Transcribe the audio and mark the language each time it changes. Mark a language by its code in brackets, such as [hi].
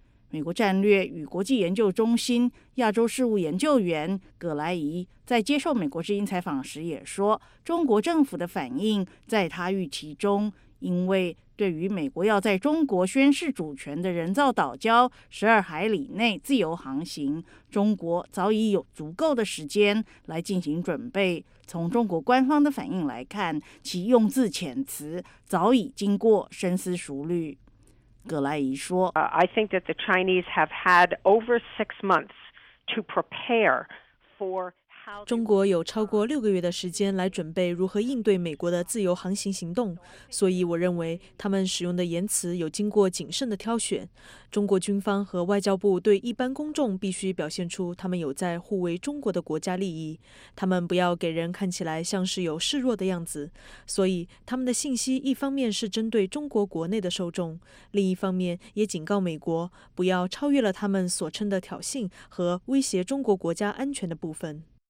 [zh] 美国战略与国际研究中心亚洲事务研究员葛莱仪在接受美国之音采访时也说，中国政府的反应在他预期中，因为对于美国要在中国宣示主权的人造岛礁十二海里内自由航行，中国早已有足够的时间来进行准备。从中国官方的反应来看，其用字遣词早已经过深思熟虑。葛莱仪说， [en] I think that the Chinese have had over 6 months to prepare for... [zh] 中国有超过6个月的时间来准备如何应对美国的自由航行行动，所以我认为他们使用的言辞有经过谨慎的挑选。中国军方和外交部对一般公众必须表现出他们有在护卫中国的国家利益，他们不要给人看起来像是有示弱的样子，所以他们的信息一方面是针对中国国内的受众，另一方面也警告美国不要超越了他们所称的挑衅和威胁中国国家安全的部分。